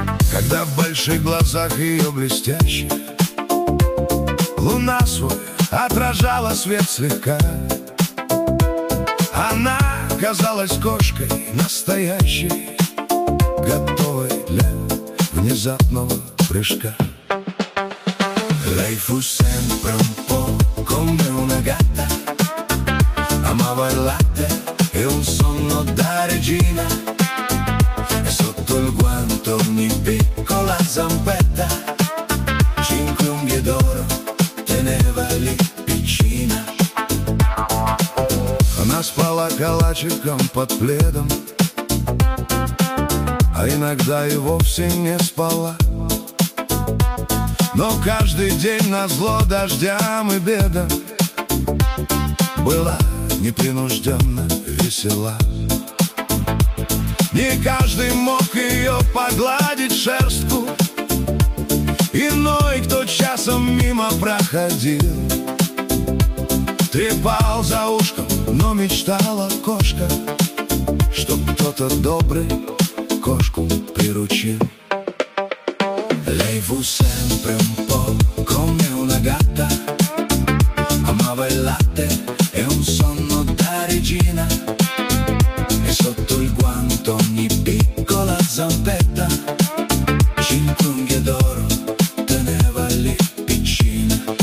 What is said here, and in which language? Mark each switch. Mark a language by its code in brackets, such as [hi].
[ru] Когда в больших глазах ее блестящих луна свой отражала свет слегка, она казалась кошкой настоящей, готовой для внезапного прыжка. [it] Lei fu sempre un po' come una gatta, amava il latte e un sonno da regina, e sotto il guanto ogni piccola zampetta, cinque unghie d'oro teneva lì piccina. [ru] Она спала калачиком под пледом, а иногда и вовсе не спала. Но каждый день назло дождям и бедам была непринужденно весела. Не каждый мог ее погладить шерстку, иной, кто часом мимо проходил, трепал за ушком, но мечтала кошка, чтоб кто-то добрый кошку приручил. [it] Lei fu sempre un po' come una gatta, amava il latte e un sonno da regina, e sotto il guanto ogni piccola zampetta, cinque unghie d'oro teneva lì piccina.